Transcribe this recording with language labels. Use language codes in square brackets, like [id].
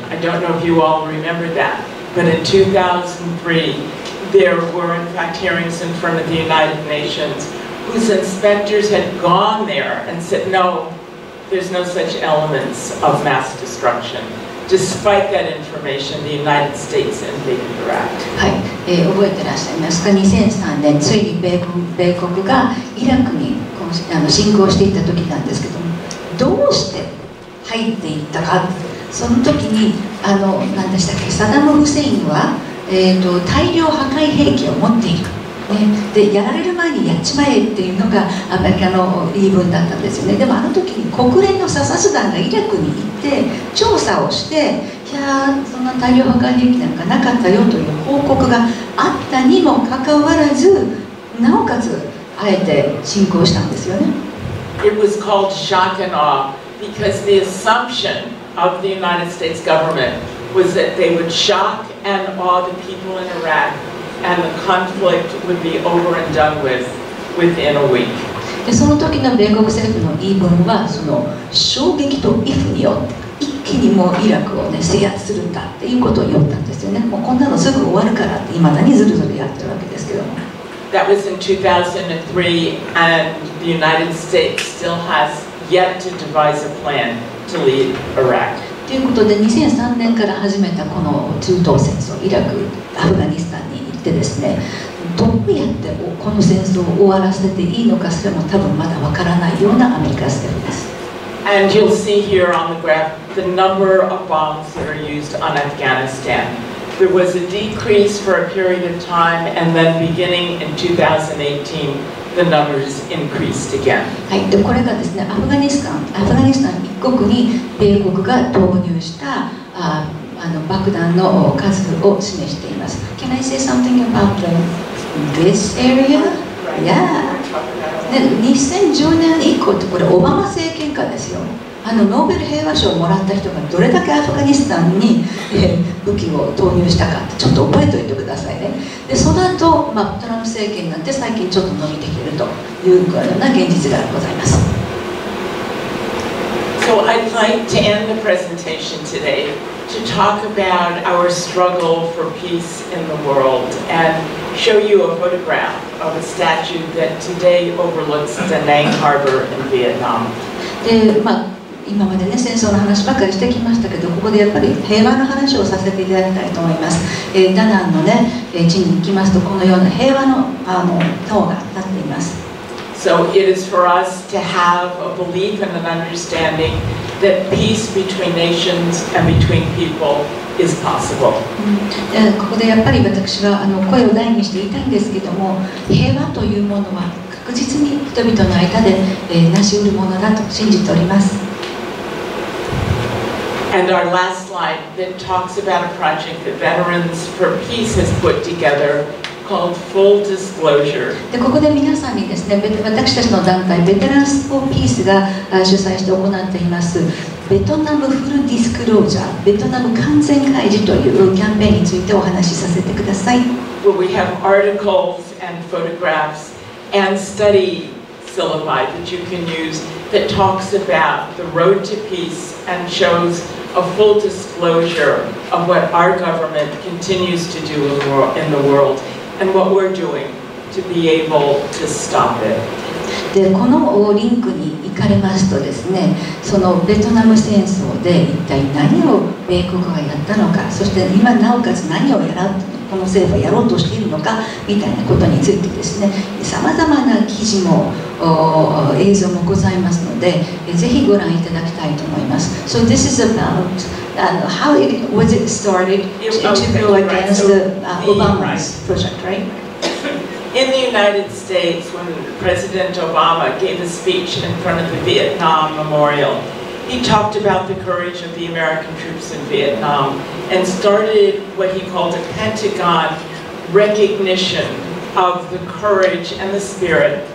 [en] I don't know if you all remember that, but in 2003, there were in fact hearings in front of the United Nations whose inspectors had gone there and said, no, there's no such elements of mass destruction. Despite that information, the United States invaded Iraq. [ja] はい、覚えてらっしゃいますか？2003年、ついに米国がイラクに侵攻していった時なんですけども、どうして入っていったか、その時に、何でしたっけ、サダム・フセインは大量破壊兵器を持っていく、ね、でやられる前にやっちまえっていうのがアメリカの言い分だったんですよね。でもあの時に国連の査察団がイラクに行って調査をして、いやそんな大量破壊兵器なんかなかったよという報告があったにもかかわらず、なおかつあえて侵攻したんですよね。 [en] It was called shock and awe because the assumption of the United States government was that they would shock and awe the people in Iraq and the conflict would be over and done with within a week. [ja] でその時の米国政府の言い分はその衝撃と威風によって一気にもうイラクを、ね、制圧するんだっていうことを言ったんですよね。もうこんなのすぐ終わるからって未だにずるずるやってるわけですけど、 [en] That was in 2003, and the United States still has yet to devise a plan to lead Iraq. [ja] ということで、2003年から始めたこの中東戦争、イラク、アフガニスタンに行ってですね、どうやってこの戦争を終わらせていいのかそれも多分まだわからないようなアメリカ政府です。 [en] And you'll see here on the graph the number of bombs that are used on Afghanistan. There was a decrease for a period of time, and then beginning in 2018, the numbers increased again. [ja] はい、でこれがですね、アフガニスタン一国に米国が投入した爆弾の数を示しています。 [en] Can I say something about this area? Yeah. [ja] 2010年以降ってこれオバマ政権下ですよ。あのノーベル平和賞をもらった人がどれだけアフガニスタンに武器を投入したかってちょっと覚えておいてくださいね。でその後、まあ、トランプ政権になって最近ちょっと伸びてきているというような現実がございます。 [en] So I'd like to end the presentation today to talk about our struggle for peace in the world and show you a photograph of a statue that today overlooks Da Nang Harbor in Vietnam. [ja] で、まあ今までね戦争の話ばかりしてきましたけど、ここでやっぱり平和の話をさせていただきたいと思います。ダナンのね、地に行きますとこのような平和の塔が立っています。 [en] So it is for us to have a belief and an understanding that peace between nations and between people is possible. [ja] ここでやっぱり私は声を大にして言いたいんですけども、平和というものは確実に人々の間で成し得るものだと信じております。 [en] And our last slide that talks about a project that Veterans for Peace has put together called Full Disclosure. [ja] で、ここで皆さんにですね、私たちの団体、ベテランズフォーピースが主催して行っています、ベトナムフルディスクロージャー、ベトナム完全開示というキャンペーンについてお話しさせてください。 [en] Where we have articles and photographs and study syllabi that you can use that talks about the road to peace. And shows a full disclosure of what our government continues to do in the world and what we're doing to be able to stop it. [ja] で、このリンクに行かれますとですね、そのベトナム戦争で一体何を米国がやったのか、そして今なおかつ何をやろう、この政府はやろうとしているのかみたいなことについてですね、さまざまな記事も映像もございますので、ぜひご覧いただきたいと思います。 [en] So this is about how it was it started to go against the Obama's project, right? In the United States, when President Obama gave a speech in front of the Vietnam Memorial, he talked about the courage of the American troops in Vietnam and started what he called a Pentagon recognition of the courage and the spirit.